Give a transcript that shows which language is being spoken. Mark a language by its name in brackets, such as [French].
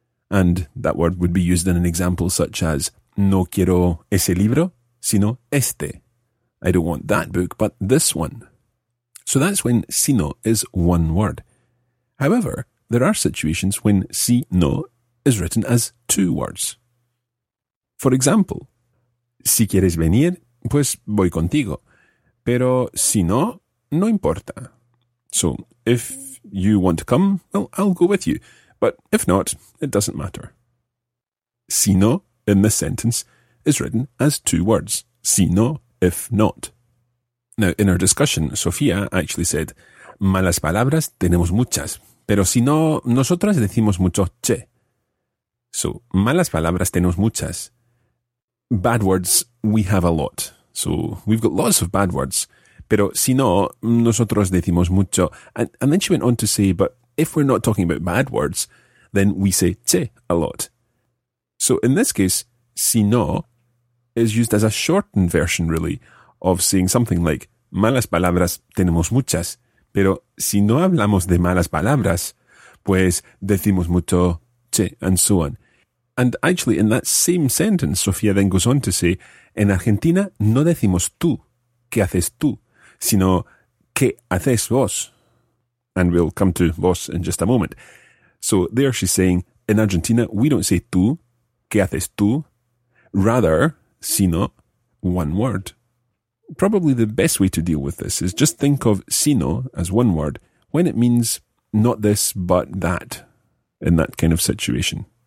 [English] And that word would be used in an example such as [Spanish] no quiero ese libro, sino este. [English] I don't want that book, but this one. So that's when sino is one word. However, there are situations when si no is written as two words. For example, [Spanish] si quieres venir, pues voy contigo. Pero si no, no importa. [English] So if you want to come, well, I'll go with you. But if not, it doesn't matter. Si no, in this sentence, is written as two words. Si no, if not. Now, in our discussion, Sofía actually said, [Spanish] malas palabras tenemos muchas, pero si no, nosotras decimos mucho che. [English] So, [Spanish] malas palabras tenemos muchas. [English] Bad words, we have a lot. So, we've got lots of bad words. [Spanish] Pero si no, nosotros decimos mucho. [English] And then she went on to say, but if we're not talking about bad words, then we say che a lot. So in this case, si no is used as a shortened version, really, of saying something like, [Spanish] malas palabras tenemos muchas, pero si no hablamos de malas palabras, pues decimos mucho che, [English] and so on. And actually, in that same sentence, Sofía then goes on to say, [Spanish] en Argentina no decimos tú, ¿qué haces tú?, sino ¿qué haces vos? [English] And we'll come to vos in just a moment. So there she's saying, in Argentina, we don't say tú, [Spanish] ¿qué haces tú? [English] Rather, sino, one word. Probably the best way to deal with this is just think of sino as one word when it means not this, but that, in that kind of situation.